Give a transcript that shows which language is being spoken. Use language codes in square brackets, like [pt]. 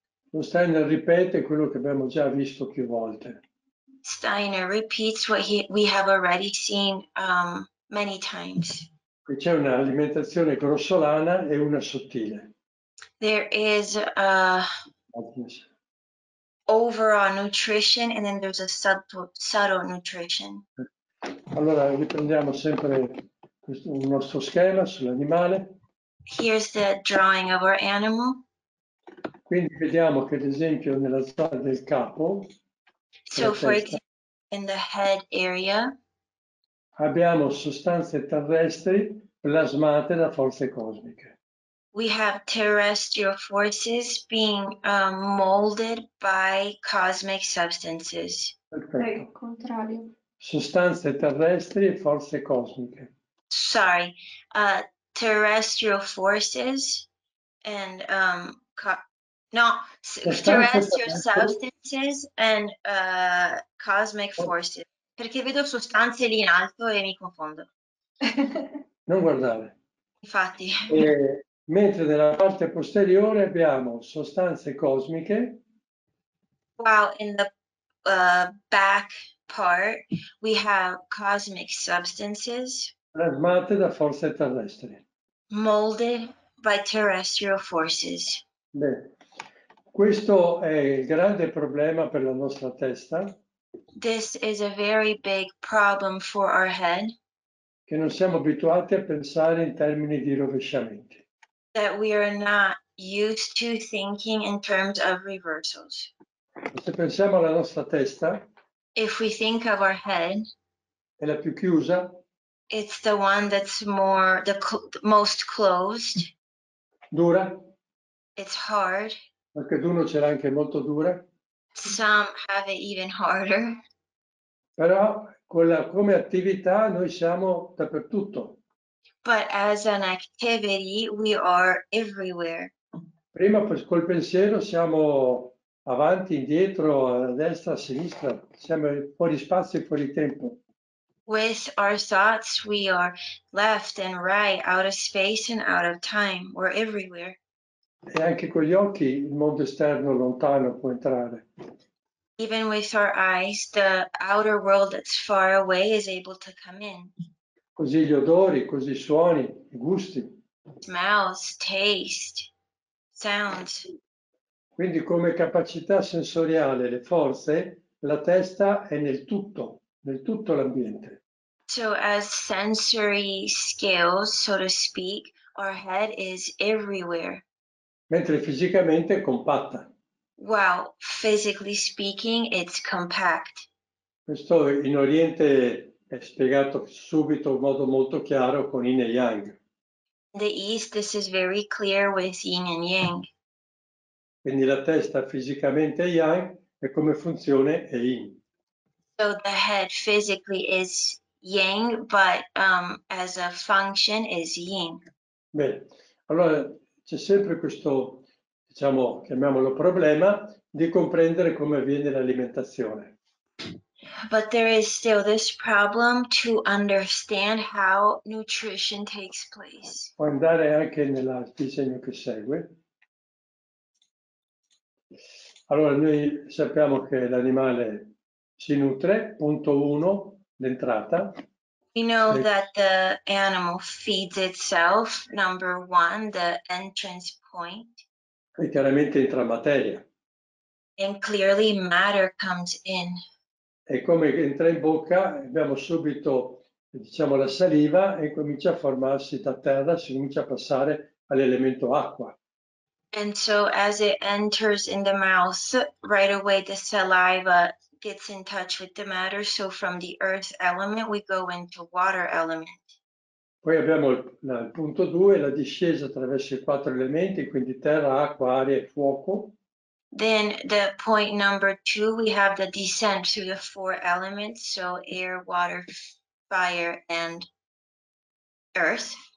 [it] Lo Steiner ripete quello che abbiamo già visto più volte. [en] Steiner repeats what we have already seen many times. [it] Qui c'è un'alimentazione grossolana e una sottile. [en] There is a overall nutrition and then there's a subtle nutrition. [it] Allora riprendiamo sempre questo, il nostro schema sull'animale. [en] Here's the drawing of our animal. [it] Quindi vediamo che ad esempio nella zona del capo. [en] So for testa, example in the head area. [it] Abbiamo sostanze terrestri plasmate da forze cosmiche. [en] We have terrestrial forces being molded by cosmic substances. [it] Perfetto. Il contrario. Sostanze terrestri e forze cosmiche. [en] Sorry, terrestrial forces and terrestrial substances and cosmic forces. [it] Perché vedo sostanze lì in alto e mi confondo. Non guardare. Infatti. Mentre nella parte posteriore abbiamo sostanze cosmiche. [en] Wow, in the back part we have cosmic substances [it] plasmate da forze terrestri. [en] Molded by terrestrial forces. [it] Beh, questo è il grande problema per la nostra testa. [en] This is a very big problem for our head. [it] Che non siamo abituati a pensare in termini di rovesciamenti. [en] That we are not used to thinking in terms of reversals. [it] Se pensiamo alla nostra testa. [en] If we think of our head, [it] è la più chiusa. [en] It's the one that's more, the most closed. [it] Dura. [en] It's hard. [it] Qualche d'uno ce l'ha anche molto dura. [en] Some have it even harder. [it] Però con la, come attività noi siamo dappertutto. [en] But as an activity, we are everywhere. [it] Prima col pensiero siamo avanti, indietro, a destra, a sinistra, siamo fuori spazio e fuori tempo. [en] With our thoughts, we are left and right, out of space and out of time. We're everywhere. [it] E anche con gli occhi, il mondo esterno lontano può entrare. [en] Even with our eyes, the outer world that's far away is able to come in. [it] Così gli odori, così i suoni, i gusti. [en] Smells, taste, sounds. [it] Quindi come capacità sensoriale, le forze, la testa è nel tutto l'ambiente. [en] So as sensory skills, so to speak, our head is everywhere. [it] Mentre fisicamente è compatta. [en] Wow, physically speaking, it's compact. [it] Questo in Oriente è spiegato subito in modo molto chiaro con Yin e Yang. [en] In the East, this is very clear with Yin and Yang. [it] Quindi la testa fisicamente è yang e come funzione è yin. [en] So the head physically is yang, but as a function is yin. [it] Bene, allora c'è sempre questo, diciamo, chiamiamolo problema, di comprendere come avviene l'alimentazione. [en] But there is still this problem to understand how nutrition takes place. [it] Può andare anche nel disegno che segue. Allora, noi sappiamo che l'animale si nutre, punto uno, l'entrata. [en] We know that the animal feeds itself, number one, the entrance point. [it] E chiaramente entra materia. [en] And clearly matter comes in. [it] E come entra in bocca, abbiamo subito, diciamo, la saliva e comincia a formarsi da terra, si comincia a passare all'elemento acqua. [en] And so as it enters in the mouth, right away the saliva gets in touch with the matter. So from the earth element, we go into water element. [it] Poi abbiamo il punto 2, la discesa attraverso i quattro elementi, quindi terra, acqua, aria e fuoco. [en] Then the point number 2, we have the descent through the four elements, so air, water, fire and earth.